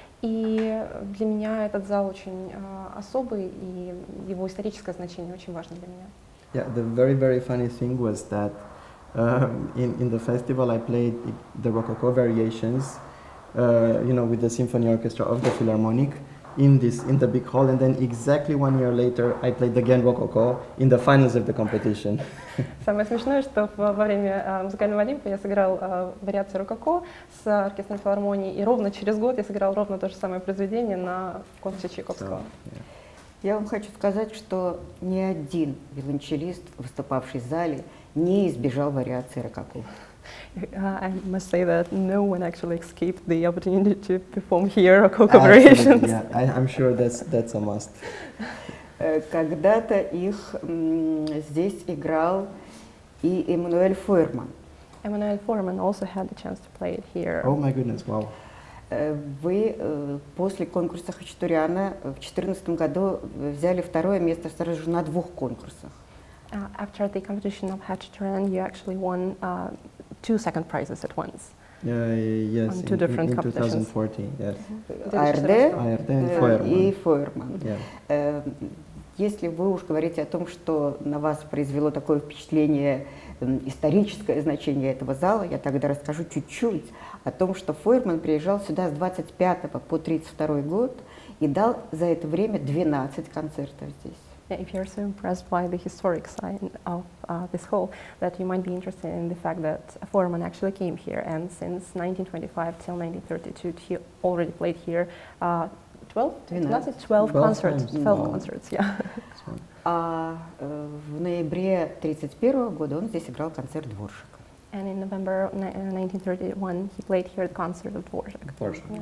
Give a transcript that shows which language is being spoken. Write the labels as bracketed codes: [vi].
[ru] И для меня этот зал очень особый, и его историческое значение очень важно для меня. [en] Yeah, the very, very funny thing was that in the festival I played the Rococo variations. With the symphony orchestra of the Philharmonic in the big hall, and then exactly one year later I played again Rococo in the finals of the competition. [ru] Самое смешное, что во время музыкального Олимпа я сыграл вариацию Рококо с оркестром филармонии, и ровно через год я сыграл ровно то же самое произведение на конкурсе Чайковского. Я вам хочу сказать, что ни один виолончелист, выступавший в зале, не избежал вариации Рококо. [en] I must say that no one actually escaped the opportunity to perform here or co-operations. Yeah, I'm sure that's a must. [ru] Когда-то их здесь играл и Эммануэль Фойерман. [en] Эммануэль Фойерман also had the chance to play it here. Oh my goodness, wow. [ru] Вы после конкурса Хачатуряна в 2014 году взяли второе место сразу же на двух конкурсах. [en] After the competition of Хачатурян, you actually won two second prizes at once. Yes, on two different competitions. 2014, yes. Mm-hmm. ARD [ru] и Фойерман. Если вы уж говорите о том, что на вас произвело такое впечатление историческое значение этого зала, я тогда расскажу чуть-чуть о том, что Фойерман приезжал сюда с 25 по 32 год и дал за это время 12 концертов здесь. [en] Yeah, if you're so impressed by the historic sign of this hall, that you might be interested in the fact that Фойерман actually came here, and since 1925 till 1932, he already played here 12 concerts. Yeah. [ru] А в ноябре 31 года он здесь играл концерт Дворжака. [en] And in November 1931, he played here the concert of Дворжак.